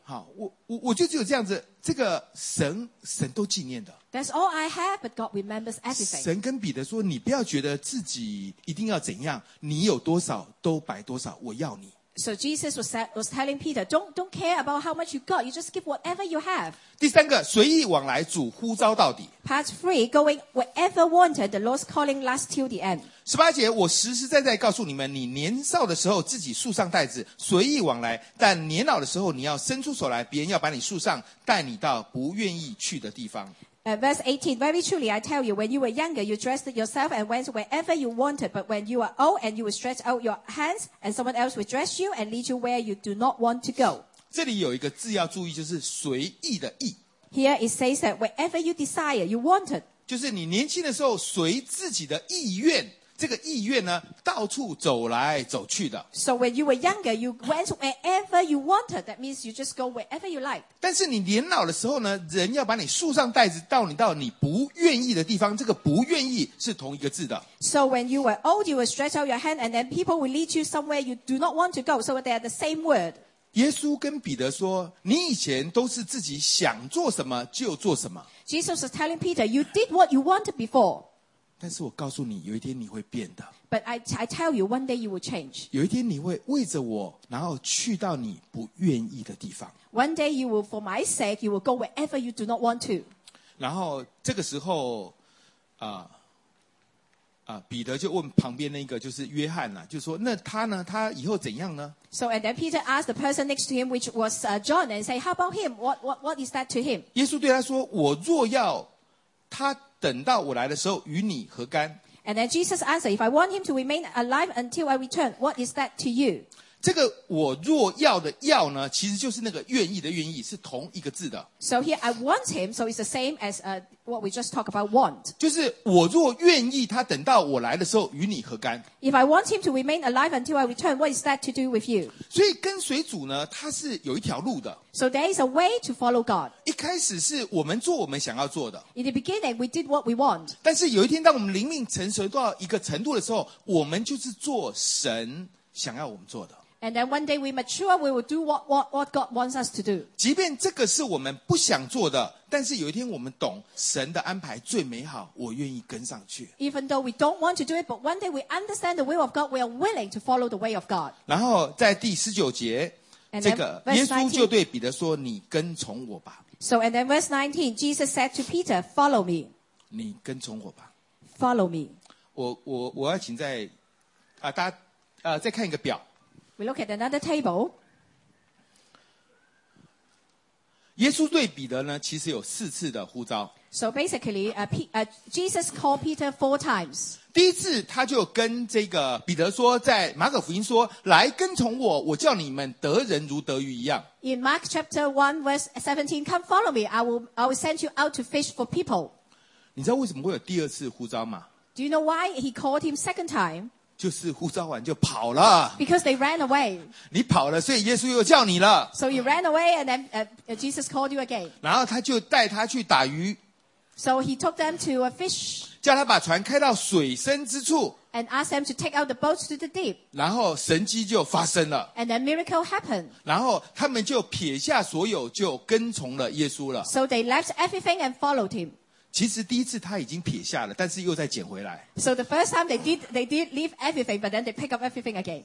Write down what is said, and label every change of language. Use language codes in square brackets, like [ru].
[zh] 好，我就只有这样子，这个神都纪念的。 [en] That's all I have, but God remembers everything. [zh] 神跟彼得说，你不要觉得自己一定要怎样，你有多少都摆多少，我要你。 [en] So Jesus was telling Peter, don't care about how much you got, you just give whatever you have. [zh] 第三个，随意往来，主呼召到底。 [en] Part three, going wherever wanted, the Lord's calling lasts till the end. [zh] 十八节，我实实在在告诉你们，你年少的时候自己束上带子，随意往来，但年老的时候你要伸出手来，别人要把你束上，带你到不愿意去的地方。 [en] Verse 18, very truly I tell you, when you were younger, you dressed yourself and went wherever you wanted, but when you are old and you will stretch out your hands, and someone else will dress you and lead you where you do not want to go. [zh] 这里有一个字要注意，就是随意的意。 [en] Here it says that wherever you desire, you wanted. [zh] 就是你年轻的时候随自己的意愿，这个意愿呢，到处走来走去的。 [en] So when you were younger, you went wherever you wanted. That means you just go wherever you like. [zh] 但是你年老的时候呢，人要把你束上带子，到你不愿意的地方。这个不愿意是同一个字的。 [en] So when you were old, you will stretch out your hand, and then people will lead you somewhere you do not want to go. So they are the same word. [zh] 耶稣跟彼得说，你以前都是自己想做什么就做什么。 [en] Jesus was telling Peter, you did what you wanted before. [zh] 但是我告诉你，有一天你会变的。 [en] But I tell you, one day you will change. [zh] 有一天你会为着我，然后去到你不愿意的地方。 [en] One day you will, for my sake, you will go wherever you do not want to. [zh] 然后这个时候，彼得就问旁边那个就是约翰啊，就说那他呢，他以后怎样呢？ [en] So and then Peter asked the person next to him, which was John, and say, how about him? What is that to him? [zh] 耶稣对他说，我若要他等到我来的时候与你何干？ [en] And then Jesus answered, if I want him to remain alive until I return, what is that to you? [zh] 这个我若要的要呢，其实就是那个愿意的愿意，是同一个字的。 [en] So here I want him, so it's the same as what we just talked about, want. [zh] 就是我若愿意他等到我来的时候与你何干？ [en] If I want him to remain alive until I return, what is that to do with you? [zh] 所以跟随主呢，他是有一条路的。 [en] So there is a way to follow God. [zh] 一开始是我们做我们想要做的。 [en] In the beginning, we did what we want. [zh] 但是有一天，当我们灵命成熟到一个程度的时候，我们就是做神想要我们做的。 [en] And then one day we mature, we will do what God wants us to do. [zh] 即便这个是我们不想做的，但是有一天我们懂神的安排最美好，我愿意跟上去。 [en] Even though we don't want to do it, but one day we understand the will of God, we are willing to follow the way of God. [zh] 然后在第十九节，这个耶稣就对彼得说：“你跟从我吧。” [en] So and then verse 19, Jesus said to Peter, "Follow me." [zh] 你跟从我吧。 [en] Follow me. [zh] 我要请在啊，大家再看一个表。 [en] We look at another table. [zh] 耶稣对彼得呢，其实有四次的呼召。 [en] So basically, Jesus called Peter four times. [zh] 第一次他就跟这个彼得说，在马可福音说，来跟从我，我叫你们得人如得鱼一样。 [en] In Mark chapter 1 verse 17, come follow me, I will send you out to fish for people. [zh] 你知道为什么会有第二次呼召吗？ [en] Do you know why he called him second time? [zh] 就是呼召完就跑了。 [en] Because they ran away. [zh] 你跑了，所以耶稣又叫你了。 [en] So you ran away and then Jesus called you again. [zh] 然后他就带他去打鱼。 [en] So he took them to a fish. [zh] 叫他把船开到水深之处。 [en] And asked them to take out the boats to the deep. [zh] 然后神迹就发生了。 [en] And a miracle happened. [zh] 然后他们就撇下所有就跟从了耶稣了。 [en] So they left everything and followed him. [zh] 其实第一次他已经撇下了，但是又再捡回来。 [en] So the first time they did leave everything, but then they pick up everything again.